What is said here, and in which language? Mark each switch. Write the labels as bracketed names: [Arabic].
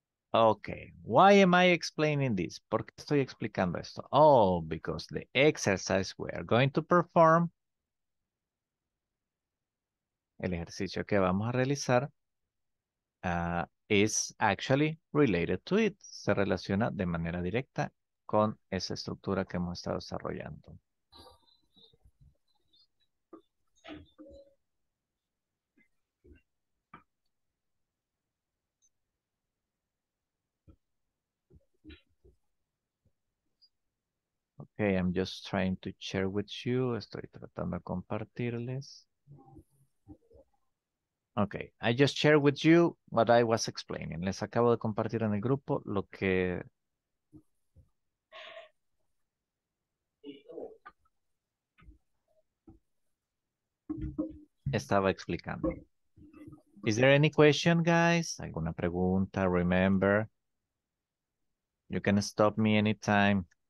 [English] Okay. Why am I explaining this? [Spanish] ¿Por qué estoy explicando esto? [English] Oh, because the exercise we are going to perform, [Spanish] el ejercicio que vamos a realizar, [English] is actually related to it. [Spanish] Se relaciona de manera directa con esa estructura que hemos estado desarrollando. [English] Okay, I'm just trying to share with you. [Spanish] Estoy tratando de compartirles. [English] Okay, I just shared with you what I was explaining. [Spanish] Les acabo de compartir en el grupo lo que... estaba explicando. [English] Is there any question, guys? [Spanish] ¿Alguna pregunta? [English] Remember, you can stop me anytime.